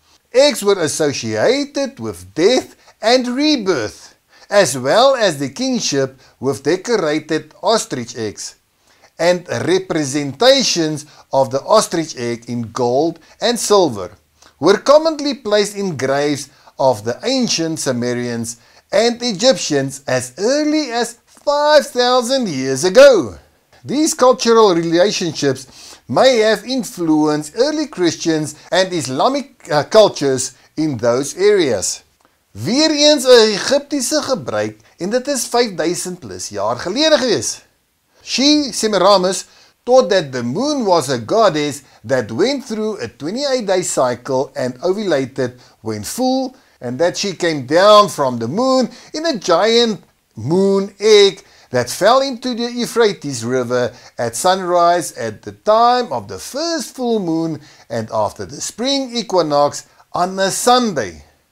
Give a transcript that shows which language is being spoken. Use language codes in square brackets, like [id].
[en] eggs were associated with death and rebirth, as well as the kingship with decorated ostrich eggs, and representations of the ostrich egg in gold and silver were commonly placed in graves of the ancient Sumerians and Egyptians as early as 5,000 years ago. These cultural relationships may have influenced early Christians and Islamic cultures in those areas. [af] Weer eens 'n Egiptiese gebruik en dit is 5000 plus jaar gelede gewees. [en] She, Semiramis, thought that the moon was a goddess that went through a 28-day cycle and ovulated when full, and that she came down from the moon in a giant moon egg that fell into the Euphrates River at sunrise at the time of the first full moon and after the spring equinox on a Sunday.